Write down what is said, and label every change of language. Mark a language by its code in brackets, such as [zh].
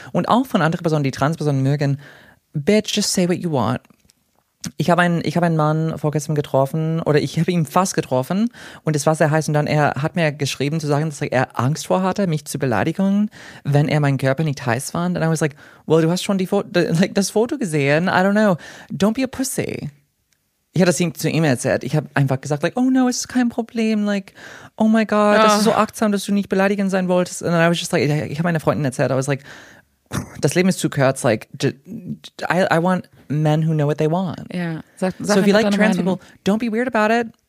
[de] Und auch von anderen Personen, die Transpersonen mögen, [en] bitch, just say what you want. [de] Ich habe einen Mann vorgestern getroffen, oder ich habe ihn fast getroffen, und es war sehr heiß, und dann er hat mir geschrieben zu sagen, dass er Angst vor hatte, mich zu beleidigen, wenn er meinen Körper nicht heiß fand. [en] And I was like, well, [de] du hast schon das Foto gesehen, [en] I don't know, don't be a pussy. [de] Ich habe das zu ihm erzählt. Ich habe einfach gesagt, [en] oh no, [de] es ist kein Problem. [en] Oh my God, [de] das ist so achtsam, dass du nicht beleidigend sein wolltest. Und dann habe ich just ich habe meine Freundin erzählt. [en] I was like, [de] das Leben ist zu kurz. [en] I want men who know what they want. Yeah. So if you like trans people, don't be weird about it.